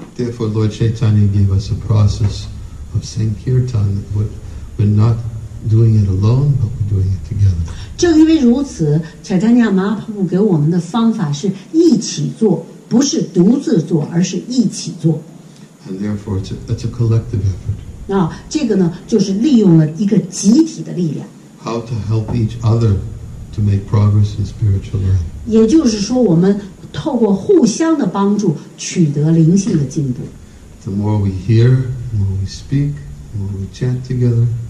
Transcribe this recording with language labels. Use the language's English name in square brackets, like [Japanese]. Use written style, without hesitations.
[English] Therefore, Lord Chaitanya gave us a process of Sankirtan that we're not doing it alone, but we're doing it together. [Chinese] 正因为如此，查坦尼亚马哈普给我们的方法是一起做，不是独自做，而是一起做。 [English] And therefore, it's a collective effort. [Chinese] 这个呢，就是利用了一个集体的力量。 [English] How to help each other to make progress in spiritual life. [Chinese] 也就是说，我们透过互相的帮助，取得灵性的进步。 [English] The more we hear, the more we speak, the more we chant together.